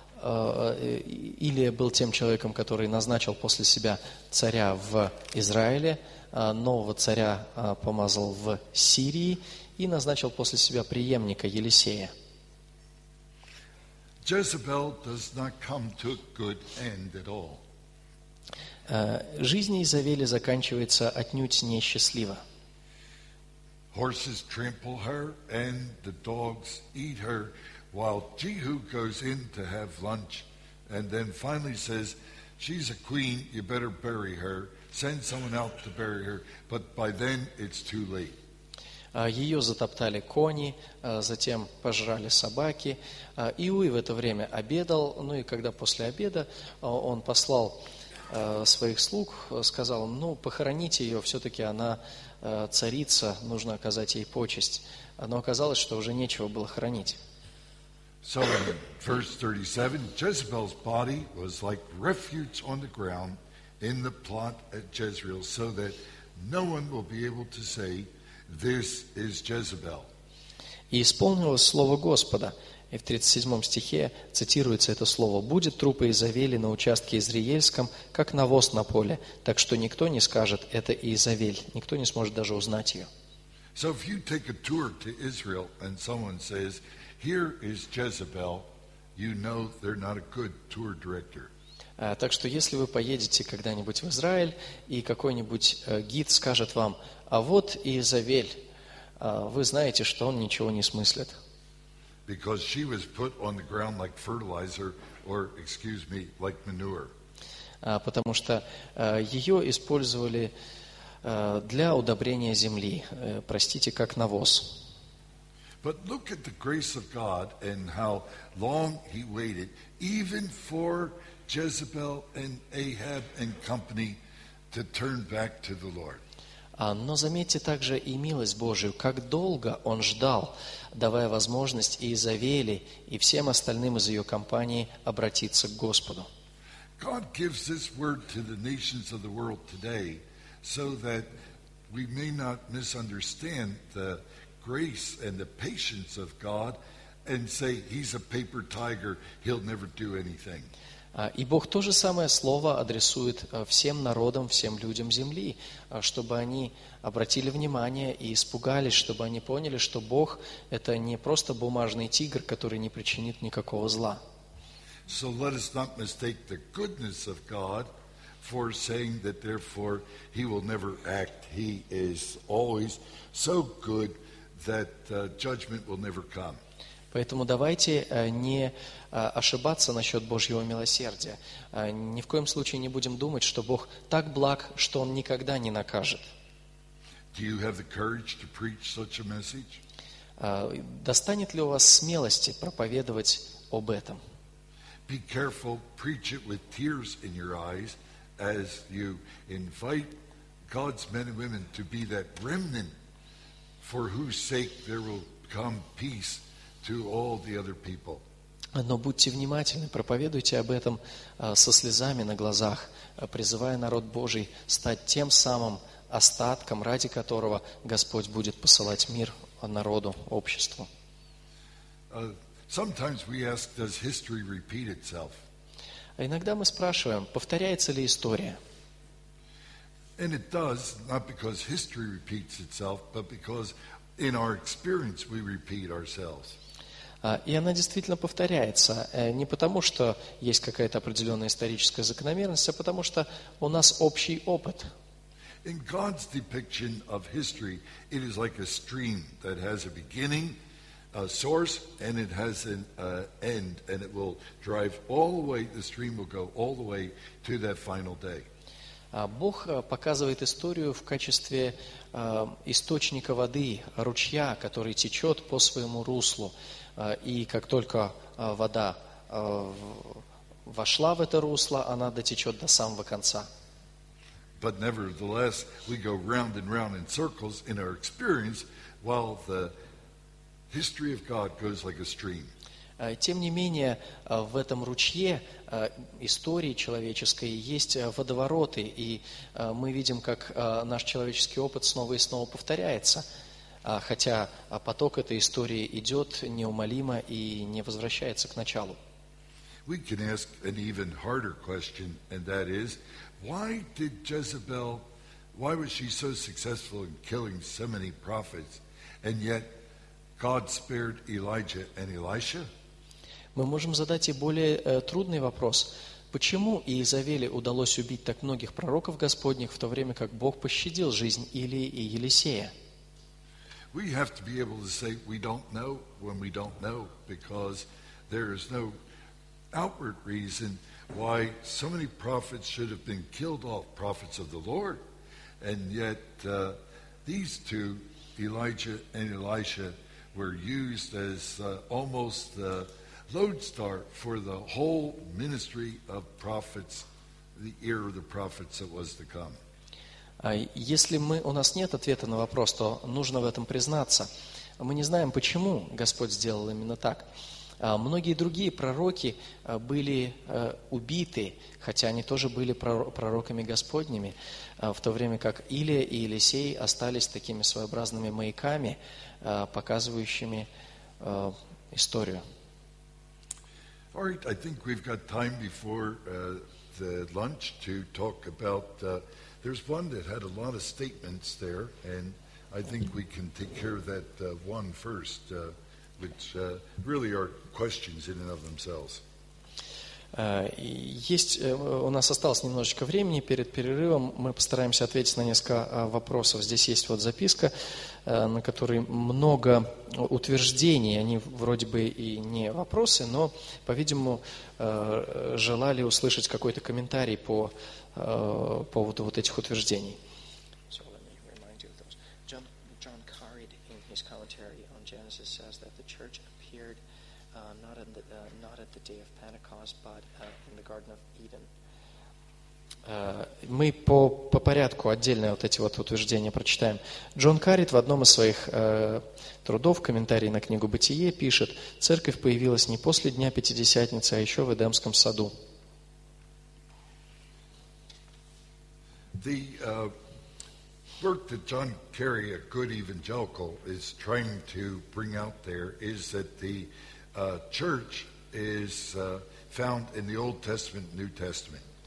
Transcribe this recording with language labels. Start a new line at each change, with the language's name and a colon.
Russian: Илия был тем человеком, который назначил после себя царя в Израиле, нового царя помазал в Сирии и назначил после себя преемника Елисея.
English: Jezebel does not come to a good end at all.
Russian: Жизнь Изавели заканчивается отнюдь несчастливо.
English: Horses trample her and the dogs eat her, while Jehu goes in to have lunch and then finally says, she's a queen, you better bury her, send someone out to bury her, but by then it's too late.
Russian: Ее затоптали кони, затем пожрали собаки. Иуи в это время обедал, ну и когда после обеда он послал своих слуг, сказал, ну, похороните ее, все-таки она царица, нужно оказать ей почесть. Но оказалось, что уже нечего было хоронить.
English: So in verse 37, Jezebel's body was like refuse on the ground in the plot at Jezreel, so that no one will be able to say, this is Jezebel.
Russian: И исполнилось слово Господа. И в 37 стихе цитируется это слово: «Будет трупы Изавели на участке Изриельском, как навоз на поле, так что никто не скажет, это Изавель, никто не сможет даже узнать ее».
English: So if you take a tour to Israel and someone says, here is Jezebel, you know they're not a good tour director.
Russian: Так что если вы поедете когда-нибудь в Израиль, и какой-нибудь гид скажет вам, а вот Иезавель, вы знаете, что он ничего не смыслит.
English: Because she was put on the ground like fertilizer, or, excuse me, like manure.
Russian: Потому что ее использовали для удобрения земли, простите, как навоз.
English: But look at the grace of God and how long he waited, even for Jezebel and Ahab and company to turn back to the Lord.
Russian: Но заметьте также и милость Божию, как долго он ждал, давая возможность Иезавели и всем остальным из ее компании обратиться к Господу.
English: God gives this word to the nations of the world today so that we may not misunderstand the grace and the patience of God and say he's a paper tiger, he'll never do anything.
Russian: И Бог то же самое слово адресует всем народам, всем людям земли, чтобы они обратили внимание и испугались, чтобы они поняли, что Бог – это не просто бумажный тигр, который не причинит никакого зла.
English: So let us not mistake the goodness of God for saying that therefore he will never act. He is always so good that judgment will never come.
Russian: Поэтому давайте не ошибаться насчет Божьего милосердия. Ни в коем случае не будем думать, что Бог так благ, что Он никогда не накажет.
English: Do you have the courage to preach such a message?
Russian: Достанет ли у вас смелости проповедовать об этом?
English: Be careful, preach it with tears in your eyes as you invite God's men and women to be that remnant for whose sake there will come peace. To all the other people.
Russian: Но будьте внимательны, проповедуйте об этом со слезами на глазах, призывая народ Божий стать тем самым остатком, ради которого Господь будет посылать мир народу, обществу.
English: Sometimes we ask, does history repeat itself?
Russian: Иногда мы спрашиваем, повторяется ли история?
English: And it does, not because history repeats itself, but because in our experience we repeat ourselves.
Russian: И она действительно повторяется, не потому, что есть какая-то определенная историческая закономерность, а потому, что у нас общий опыт.
English: In God's depiction of history, it is like a stream that has a beginning, a source, and it has an end, and it will drive all the way, the stream will go all the way to that final day.
Russian: Бог показывает историю в качестве источника воды, ручья, который течет по своему руслу. И как только вода вошла в это русло, она дотечет до самого конца.
English: But nevertheless, we go round and round in circles in our experience, while the history of God goes like a stream.
Russian: Тем не менее, в этом ручье истории человеческой есть водовороты, и мы видим, как наш человеческий опыт снова и снова повторяется. Хотя поток этой истории идет неумолимо и не возвращается к началу.
English: We can ask an even harder question, and that is, why did Jezebel, why was she so successful in killing so many prophets, and yet God spared Elijah and Elisha?
Russian: Мы можем задать и более трудный вопрос. Почему Иезавели удалось убить так многих пророков Господних, в то время как Бог пощадил жизнь Илии и Елисея?
English: We have to be able to say we don't know when we don't know, because there is no outward reason why so many prophets should have been killed off, prophets of the Lord, and yet these two, Elijah and Elisha, were used as almost the lodestar for the whole ministry of prophets, the era of the prophets that was to come.
Russian: Если мы, у нас нет ответа на вопрос, то нужно в этом признаться. Мы не знаем, почему Господь сделал именно так. Многие другие пророки были убиты, хотя они тоже были пророками Господними, в то время как Илия и Елисей остались такими своеобразными маяками, показывающими историю.
English: All right, I think we've got time before the lunch to talk about... There's one that had a lot of statements there, and I think we can take care of that one first. really are questions in and of themselves.
Russian: У нас осталось немножечко времени перед перерывом. Мы постараемся ответить на несколько вопросов. Здесь есть вот записка, на которой много утверждений. Они вроде бы и не вопросы, но, по-видимому, желали услышать какой-то комментарий по поводу вот этих утверждений.
English: So let me remind you of those. John Carid in his commentary on Genesis says that the church appeared not at the day of Pentecost, but in the Garden of Eden.
Russian: Мы по порядку отдельно вот эти вот утверждения прочитаем. Джон Карит в одном из своих трудов, комментарий на книгу «Бытие», пишет: «Церковь появилась не после Дня Пятидесятницы, а еще в Эдемском саду».
English: The work that John Carey, a good evangelical, is trying to bring out there is that the church is found in the Old Testament, New Testament.